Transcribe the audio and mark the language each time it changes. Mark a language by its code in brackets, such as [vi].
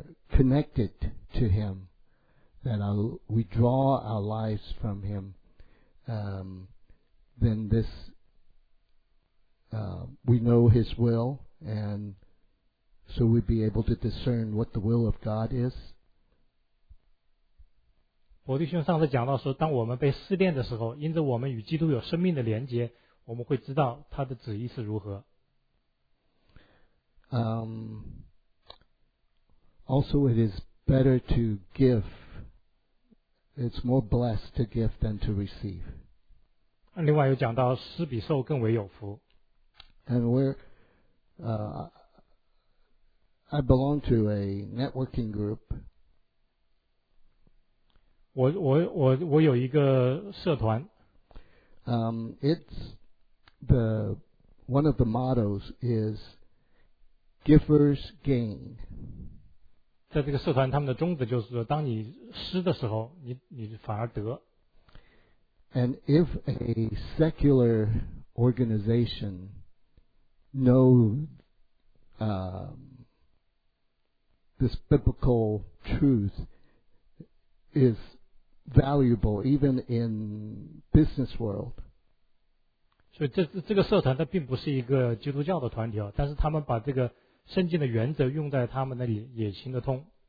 [en] connected to Him, that we draw our lives from Him, then this we know His will and. So we'd be able to discern what the will of God is. [zh] 伯弟兄上次讲到说，当我们被试炼的时候，因着我们与基督有生命的连结，我们会知道他的旨意是如何。 [en] Also, it is better to give. It's more blessed to give than to receive. [zh] 另外又讲到施比受更为有福。 [en] And we're, I belong to a networking group. [zh] 我有一个社团。 [en] It's the one of the mottos is givers gain. [zh] 在这个社团，他们的宗旨就是说，当你施的时候，你反而得。 [en] And if a secular organization knows this biblical truth is valuable even in business world. [zh] 所以这个社团它并不是一个基督教的团体，但是他们把这个圣经的原则用在他们那里也行得通。